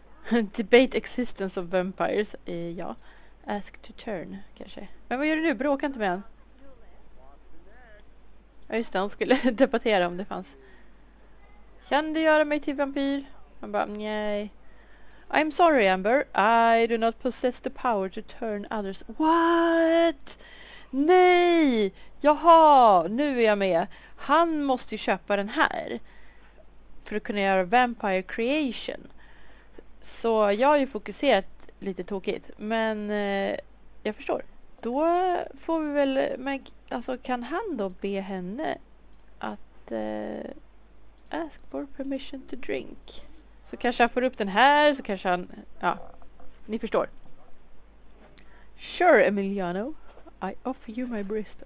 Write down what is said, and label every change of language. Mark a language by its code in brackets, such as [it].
[en] Debate existence of vampires. [sv] Ja. [en] Ask to turn, [sv] kanske. Men vad gör du nu? Bråka inte med honom. Ja, just det. Hon skulle debattera om det fanns. Kan du göra mig till vampyr? Han bara, nej. [en] I'm sorry, [sv] Amber. [en] I do not possess the power to turn others. What? [sv] Nej! Jaha, nu är jag med. Han måste ju köpa den här. för att kunna göra Vampire Creation. Så jag har ju fokuserat lite tokigt, men jag förstår. Då får vi väl, men, alltså kan han då be henne att [en] ask for permission to drink? [sv] Så kanske han får upp den här, så kanske han, ja, ni förstår. [en] Sure, Emiliano, I offer you my breast.